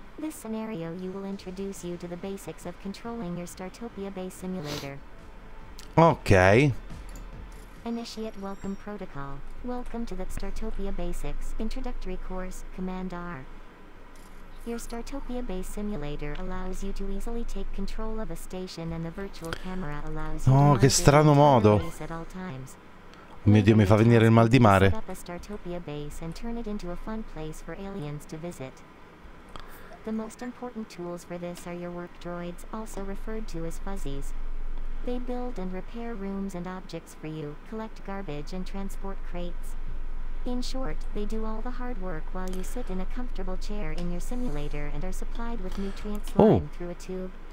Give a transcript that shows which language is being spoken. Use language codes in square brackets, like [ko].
[en] This scenario you will introduce you to the basics of controlling your Startopia base simulator. Ok. Initiate welcome protocol. Welcome to the Startopia Basics Introductory Course, Command R. Your Startopia base simulator allows you to easily take control of a station and the virtual camera allows you to [it] che strano modo. Oh mio Dio, mi fa venire il mal di mare. [en] Set up a Startopia base and turn it into a fun place for aliens to visit. The most important tools for this are your work droids, also referred to as fuzzies. They build and repair rooms and objects for you, collect garbage and transport crates. In short, they do all the hard work while you sit in a comfortable chair in your simulator and are supplied with nutrients flowing through a tube.